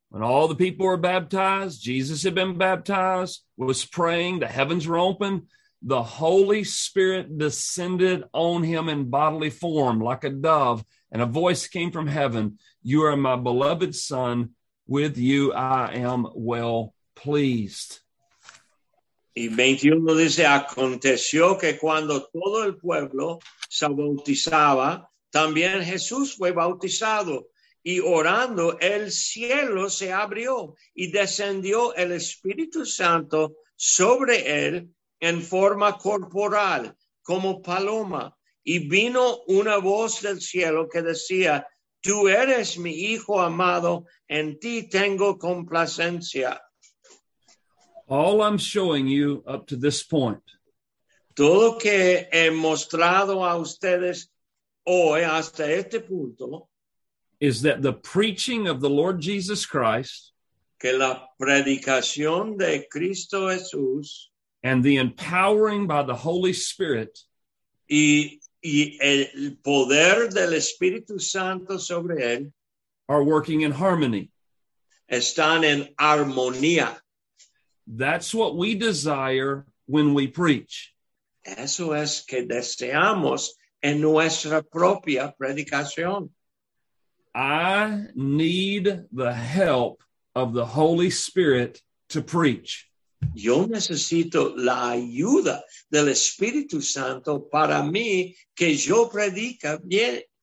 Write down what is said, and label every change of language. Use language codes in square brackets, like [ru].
[en] When all the people were baptized, Jesus had been baptized, was praying, the heavens were open, the Holy Spirit descended on him in bodily form like a dove, and a voice came from heaven, "You are my beloved Son, with you I am well pleased." [es] Y 21 dice, aconteció que cuando todo el pueblo se bautizaba, también Jesús fue bautizado. Y orando, el cielo se abrió y descendió el Espíritu Santo sobre él en forma corporal, como paloma. Y vino una voz del cielo que decía, tú eres mi hijo amado, en ti tengo complacencia. [en] All I'm showing you up to this point. [es] Todo que he mostrado a ustedes hoy hasta este punto. [en] Is that the preaching of the Lord Jesus Christ, [es] que la predicación de Cristo Jesús, [en] and the empowering by the Holy Spirit, [es] y el poder del Espíritu Santo sobre él, [en] are working in harmony. [es] Están en armonía. [en] That's what we desire when we preach. [es] Eso es que deseamos en nuestra propia predicación. [en] I need the help of the Holy Spirit to preach. [es] Yo necesito la ayuda del Espíritu Santo para mí que yo predique bien.